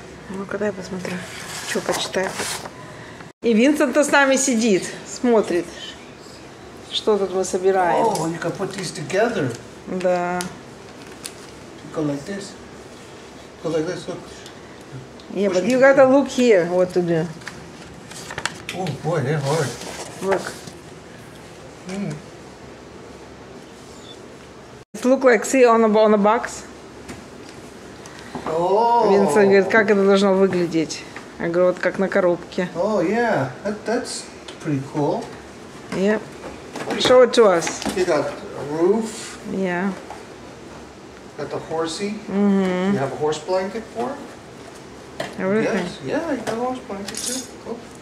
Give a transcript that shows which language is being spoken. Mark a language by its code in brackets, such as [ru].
[ru] Ну-ка, дай посмотрю, что почитаю. И Винсент-то с нами сидит, смотрит, что тут мы собираем. [en] Oh, you can put these together. [ru] Да. [en] Go like this. Go like this, look. Yeah, but you gotta look here, what to do. Oh boy, they're hard. Look. Mm. It looks like see on a box. Oh. [ru] Винсент говорит, как это должно выглядеть? Я говорю, вот как на коробке. [en] Oh yeah, that's pretty cool. Yeah. Show it to us. You got a roof. Yeah. Got the horsey. Mm-hmm. You have a horse blanket for him? Everything. Yes. Yeah, you got a horse blanket too. Cool.